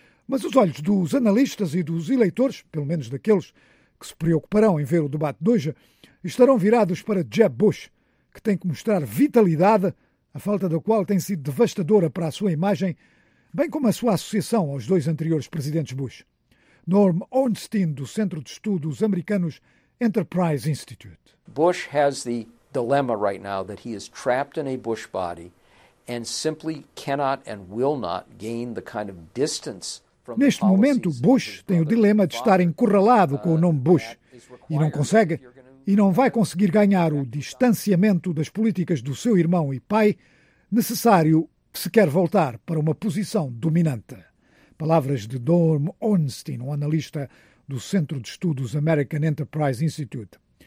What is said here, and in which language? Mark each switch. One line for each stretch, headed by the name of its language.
Portuguese: Mas os olhos dos analistas e dos eleitores, pelo menos daqueles que se preocuparão em ver o debate de hoje, estarão virados para Jeb Bush, que tem que mostrar vitalidade, a falta da qual tem sido devastadora para a sua imagem, bem como a sua associação aos dois anteriores presidentes Bush. Norm Ornstein, do Centro de Estudos Americanos Enterprise Institute.
English: Bush has the dilemma right now that he is trapped in a Bush body and simply cannot and will not gain the kind of distance.
Portuguese: Neste momento, Bush tem o dilema de estar encurralado com o nome Bush e não consegue e não vai conseguir ganhar o distanciamento das políticas do seu irmão e pai necessário se quer voltar para uma posição dominante. Palavras de Norm Ornstein, um analista do Centro de Estudos American Enterprise Institute.